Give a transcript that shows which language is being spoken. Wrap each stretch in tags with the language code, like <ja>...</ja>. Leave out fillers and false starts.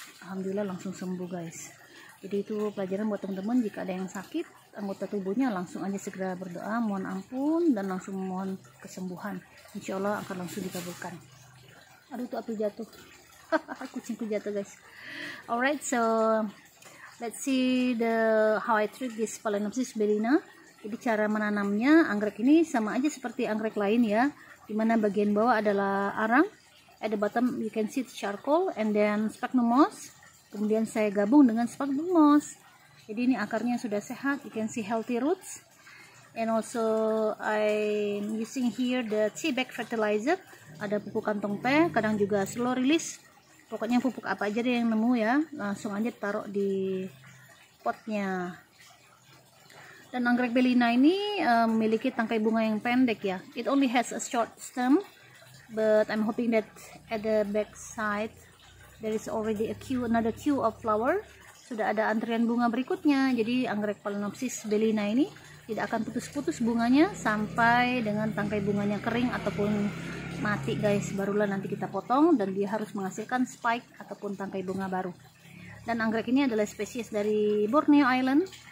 <id>Alhamdulillah langsung sembuh guys. Jadi itu pelajaran buat teman-teman, jika ada yang sakit anggota tubuhnya langsung aja segera berdoa mohon ampun dan langsung mohon kesembuhan, insya Allah akan langsung dikabulkan. Aduh tuh api jatuh. Kucingku jatuh guys.</id> <en>Alright, so let's see the how I treat this Phalaenopsis Bellina.</en> <id>Jadi cara menanamnya anggrek ini sama aja seperti anggrek lain ya, dimana bagian bawah adalah arang.</id> <en>At the bottom you can see charcoal and then sphagnum moss.</en> <id>Kemudian saya gabung dengan sphagnum moss. Jadi ini akarnya sudah sehat,</id> <en>you can see healthy roots. And also I'm using here the tea bag fertilizer.</en> <id>Ada pupuk kantong teh, kadang juga slow release. Pokoknya pupuk apa aja deh yang nemu ya, langsung aja taruh di potnya. Dan anggrek Bellina ini memiliki tangkai bunga yang pendek ya.</id> <en>It only has a short stem. But I'm hoping that at the back side there is already a queue, another queue of flower.</en> <id>Sudah ada antrian bunga berikutnya. Jadi anggrek Phalaenopsis Bellina ini tidak akan putus-putus bunganya sampai dengan tangkai bunganya kering ataupun mati guys. Barulah nanti kita potong dan dia harus menghasilkan spike ataupun tangkai bunga baru. Dan anggrek ini adalah spesies dari Borneo Island.</id>